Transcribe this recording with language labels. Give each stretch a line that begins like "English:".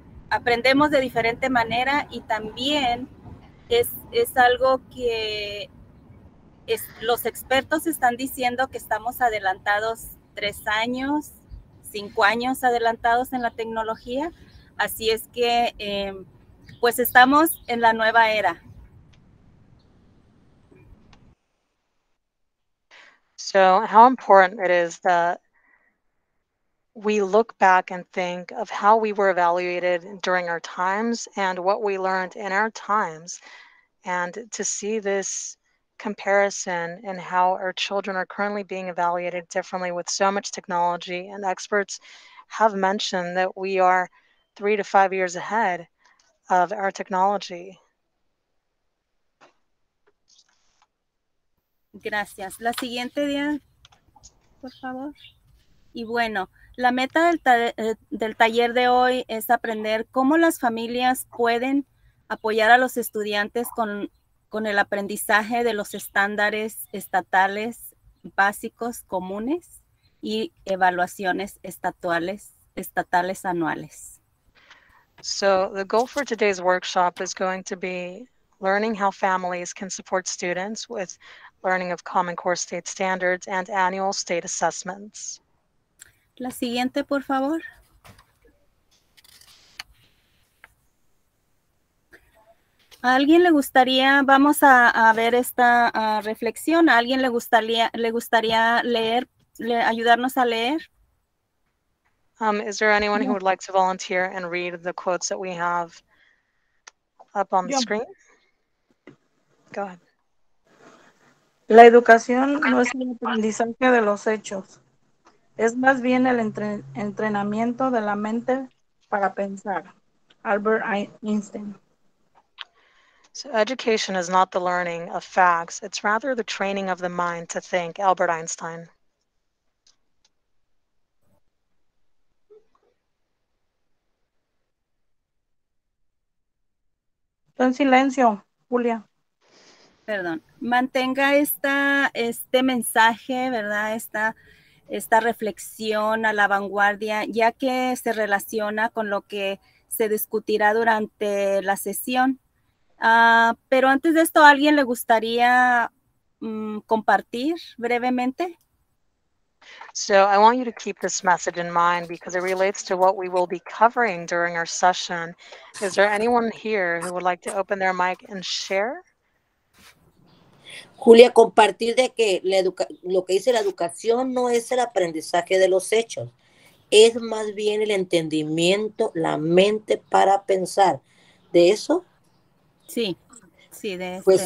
Spanish: Aprendemos de diferente manera y también es algo que los expertos están diciendo que estamos adelantados 3 años, 5 años adelantados en la tecnología. Así es que, pues estamos en la nueva era.
English: So, how important it is that we look back and think of how we were evaluated during our times and what we learned in our times, and to see this comparison in how our children are currently being evaluated differently with so much technology, and experts have mentioned that we are 3 to 5 years ahead of our technology.
Spanish: Gracias. La siguiente, Diana, por favor. Y bueno, la meta del taller de hoy es aprender cómo las familias pueden apoyar a los estudiantes con el aprendizaje de los estándares estatales básicos comunes y evaluaciones estatales anuales.
English: So the goal for today's workshop is going to be learning how families can support students with learning of Common Core State Standards and annual state assessments.
Spanish: La siguiente, por favor. ¿A alguien le gustaría, vamos a ver esta reflexión, a alguien le gustaría leer, ayudarnos a leer?
English: Is there anyone who would like to volunteer and read the quotes that we have up on the screen? Go ahead.
Spanish: La educación no es el aprendizaje de los hechos. Es más bien el entrenamiento de la mente para pensar. Albert Einstein.
English: So education is not the learning of facts. It's rather the training of the mind to think. Albert Einstein.
Spanish: En silencio, Julia. Perdón. Mantenga este mensaje, ¿verdad? Esta reflexión a la vanguardia, ya que se relaciona con lo que se discutirá durante la sesión. Pero antes de esto, ¿alguien le gustaría compartir brevemente?
English: So I want you to keep this message in mind because it relates to what we will be covering during our session. Is there anyone here who would like to open their mic and share?
Spanish: Julia, compartir de que lo que dice la educación no es el aprendizaje de los hechos. Es más bien el entendimiento, la mente para pensar. ¿De eso? Sí, sí, de eso.